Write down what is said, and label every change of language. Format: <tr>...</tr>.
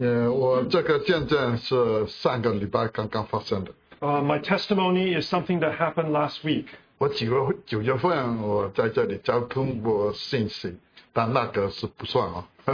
<zh>我这个见证是上个礼拜刚刚发生的。</zh> <en>My testimony is something that happened last week.</en> <zh>我九月份我在这里交通过信息, 但那个是不算啊。</zh>